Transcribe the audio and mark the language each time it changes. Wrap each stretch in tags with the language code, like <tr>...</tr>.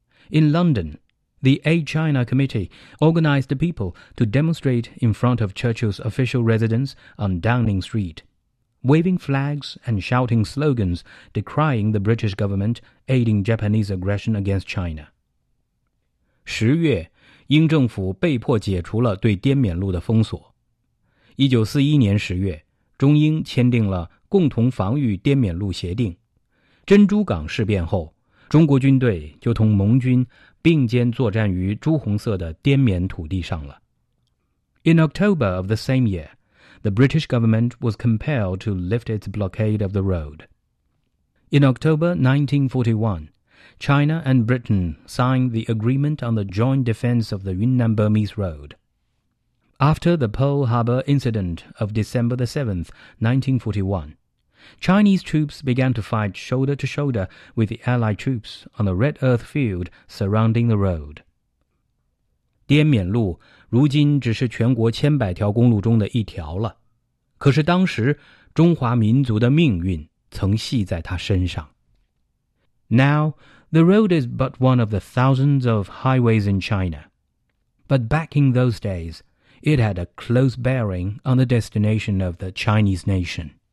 <en>In London, the Aid China Committee organized people to demonstrate in front of Churchill's official residence on Downing Street, waving flags and shouting slogans decrying the British government aiding Japanese aggression against China.</en> <zh>十月，英政府被迫解除了对滇缅路的封锁。 1941年十月，中英签订了共同防御滇缅路协定。珍珠港事变后，中国军队就同盟军并肩作战于朱红色的滇缅土地上了。</zh> <en>In October of the same year,The British government was compelled to lift its blockade of the road. In October 1941, China and Britain signed the agreement on the joint defense of the Yunnan-Burmese Road. After the Pearl Harbor incident of December 7, 1941, Chinese troops began to fight shoulder to shoulder with the Allied troops on the red earth field surrounding the road.</en> <zh>滇缅路如今只是全国千百条公路中的一条了，可是当时中华民族的命运曾系在它身上。</zh> <en>Now, the road is but one of the thousands of highways in China. But back in those days, it had a close bearing on the destination of the Chinese nation.</en>